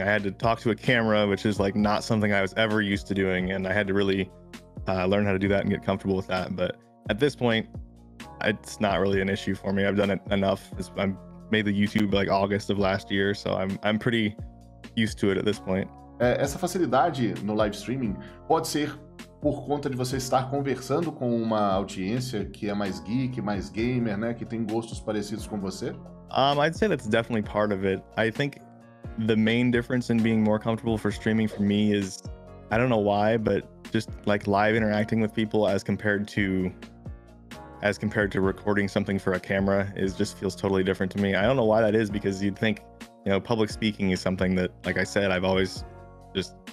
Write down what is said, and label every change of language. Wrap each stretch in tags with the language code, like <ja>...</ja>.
<en>I had to talk to a camera, which is like not something I was ever used to doing. And I had to really learn how to do that and get comfortable with that. But at this point, it's not really an issue for me. I've done it enough. I made the YouTube like August of last year, so I'm pretty used to it at this point.</en> <pt>Essa facilidade no live streaming pode ser por conta de você estar conversando com uma audiência que é mais geek, mais gamer, né, que tem gostos parecidos com você?</pt> <en>I'd say that's definitely part of it. I think the main difference in being more comfortable for streaming for me is, I don't know why, but just like live interacting with people as compared to recording something for a camera is just feels totally different to me. I don't know why that is, because you'd think, you know, public speaking is something that, like I said, I've always just</en>